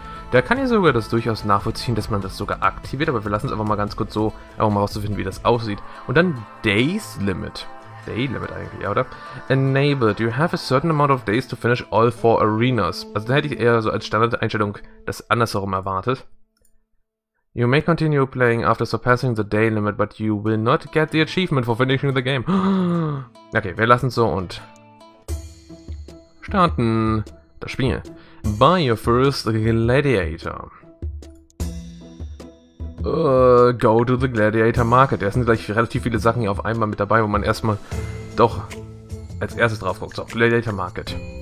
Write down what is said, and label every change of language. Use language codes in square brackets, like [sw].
[de] Da kann ich sogar das durchaus nachvollziehen, dass man das sogar aktiviert, aber wir lassen es einfach mal ganz kurz so, um herauszufinden, wie das aussieht. Und dann Days Limit. Day Limit eigentlich, ja, oder? Enabled. [en] You have a certain amount of days to finish all 4 arenas. [de] Also da hätte ich eher so als Standardeinstellung das andersherum erwartet. [en] You may continue playing after surpassing the day limit, but you will not get the achievement for finishing the game. [de] Okay, wir lassen es so und starten das Spiel. [en] Buy your first Gladiator. Go to the Gladiator Market. [de] Da sind gleich relativ viele Sachen hier auf einmal mit dabei, wo man erstmal doch als erstes drauf guckt. So, Gladiator Market.